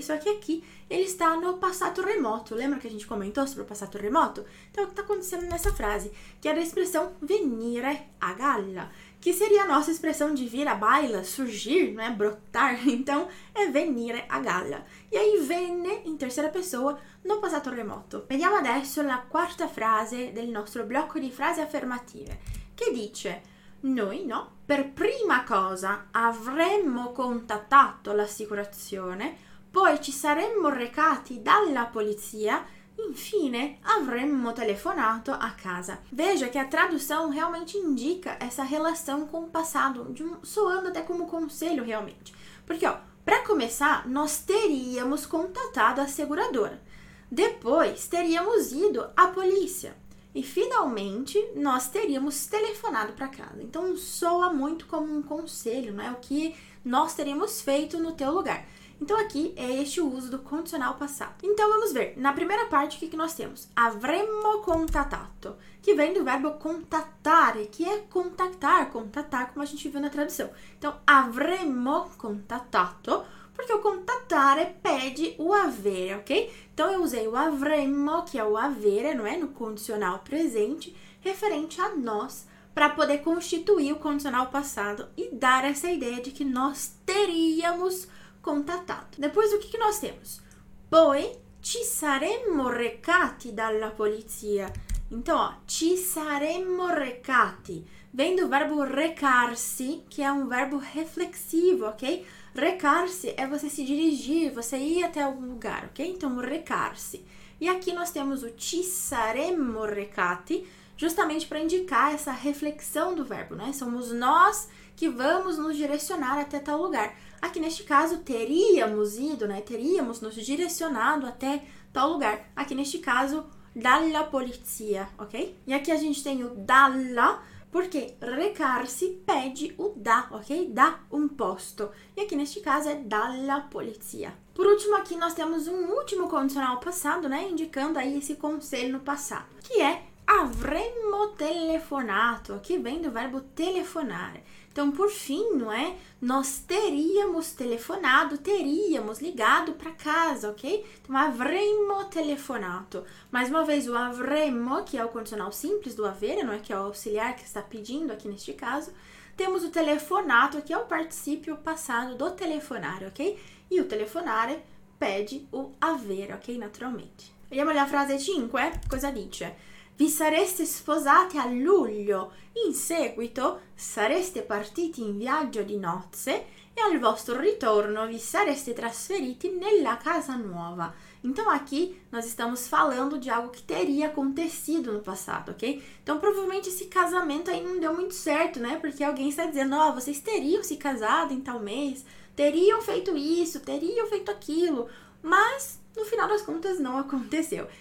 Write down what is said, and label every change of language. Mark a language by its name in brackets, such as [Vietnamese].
[Portuguese] Só que aqui ele está no passato remoto. Lembra que a gente comentou sobre o passato remoto? Então, o que está acontecendo nessa frase? Que era a expressão [Italian] venire a galla, [Portuguese] que seria a nossa expressão de vir à baila, surgir, né? Brotar. Então, é [Italian] venire a galla. [Portuguese] E aí, venne, em terceira pessoa, no passato remoto. [Italian] Vediamo adesso la quarta frase del nostro blocco di frasi affermative, che dice: noi, no, per prima cosa avremmo contattato l'assicurazione, poi ci saremmo recati dalla polizia, infine avremmo telefonato a casa. [Portuguese] Veja que a tradução realmente indica essa relação com o passado, soando até como conselho realmente. Porque, ó, para começar, nós teríamos contatado a seguradora. Depois, teríamos ido à polícia. E finalmente, nós teríamos telefonado para casa. Então, soa muito como um conselho, não é? O que nós teríamos feito no teu lugar. Então, aqui é este o uso do condicional passado. Então, vamos ver. Na primeira parte, o que que nós temos? [Italian] Avremmo contattato, [Portuguese] que vem do verbo contattare, que é contactar, contattar, como a gente viu na tradução. Então, [Italian] avremmo contattato. [Portuguese] Porque o contattare pede o avere, ok? Então eu usei o avremmo, que é o avere, não é? No condicional presente, referente a nós, para poder constituir o condicional passado e dar essa ideia de que nós teríamos contattato. Depois, o que que nós temos? [Italian] Poi ci saremmo recati dalla polizia. Então, ó, ci saremmo recati. [Portuguese] Vem do verbo recarsi, que é um verbo reflexivo, ok? Recar-se é você se dirigir, você ir até algum lugar, ok? Então, recar-se. E aqui nós temos o [Italian] ci saremmo recati, [Portuguese] justamente para indicar essa reflexão do verbo, né? Somos nós que vamos nos direcionar até tal lugar. Aqui neste caso, teríamos ido, né? Teríamos nos direcionado até tal lugar. Aqui neste caso, [Italian] dalla polizia, [Portuguese] ok? E aqui a gente tem o dalla. Porque recar-se pede o da, ok? Da um posto. E aqui neste caso é [Italian] dalla polizia. [Portuguese] Por último, aqui nós temos um último condicional passado, né? Indicando aí esse conselho no passado, que é [Italian] avremmo telefonato, [Portuguese] que vem do verbo telefonare. Então, por fim, não é? Nós teríamos telefonado, teríamos ligado para casa, ok? Então, [Italian] avremmo telefonato. [Portuguese] Mais uma vez, o avremmo, que é o condicional simples do avere, não é? Que é o auxiliar que está pedindo aqui neste caso. Temos o telefonato, que é o particípio passado do telefonare, ok? E o telefonare pede o avere, ok? Naturalmente. [Italian] Vediamo la frase 5, cosa dice? Vi sareste sposati a luglio, in seguito sareste partiti in viaggio di nozze e al vostro ritorno vi sareste trasferiti nella casa nuova. [Portuguese] Então aqui nós estamos falando de algo que teria acontecido no passado, ok? Então provavelmente esse casamento aí não deu muito certo, né? Porque alguém está dizendo: ó, vocês teriam se casado em tal mês, teriam feito isso, teriam feito aquilo, mas no final das contas, não aconteceu.